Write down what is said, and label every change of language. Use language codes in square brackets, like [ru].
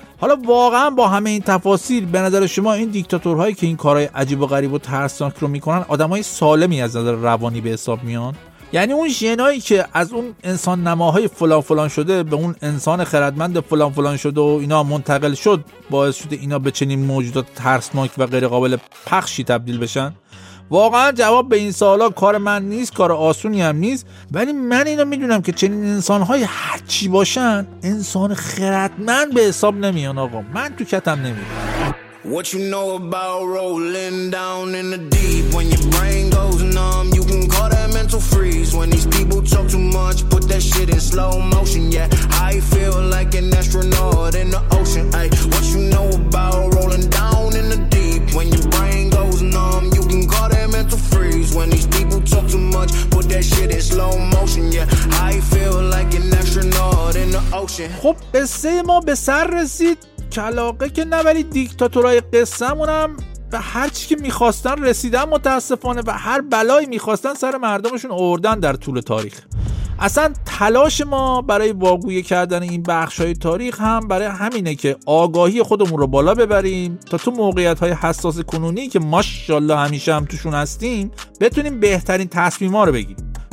[fa] حالا واقعا با همه این تفاصیل به نظر شما این دیکتاتورهایی که این کارهای عجیب و غریب و ترسناک رو میکنن آدمای سالمی از نظر روانی به حساب میان؟ یعنی اون ژنهایی که از اون انسان نماهای فلان فلان شده به اون انسان خردمند فلان فلان شده و اینا منتقل شد، باعث شده اینا به چنین موجودات ترسناک و غیر قابل پخشی تبدیل بشن؟ واقعا جواب به این سوالا کار من نیست، کار آسونی هم نیست، ولی من اینو میدونم که چنین انسانهای هرچی باشن انسان خردمند به حساب نمیان. آقا من تو کتم نمیان. [en] What you know about rolling down in the deep? When your brain goes numb, you can call that mental freeze. When these people talk too much, put that shit in slow motion. Yeah, I feel like an astronaut in the ocean. Ay, what you know about rolling down in the deep? When your brain goes numb, you can call that mental freeze. When these people talk too much, put that shit in slow motion. Yeah, I feel like an astronaut in the ocean. [fa] خب به سه ما به سر رسید. کلاقه که نه، ولی دیکتاتورای قصه‌مون هم به هر چی که میخواستن رسیدن متاسفانه، و هر بلایی میخواستن سر مردمشون آوردن در طول تاریخ. اصلا تلاش ما برای واگوی کردن این بخشای تاریخ هم برای همینه که آگاهی خودمون رو بالا ببریم تا تو موقعیت‌های حساس کنونی که ماشاءالله همیشه هم توشون هستیم بتونیم بهترین تصمیما رو بگیریم.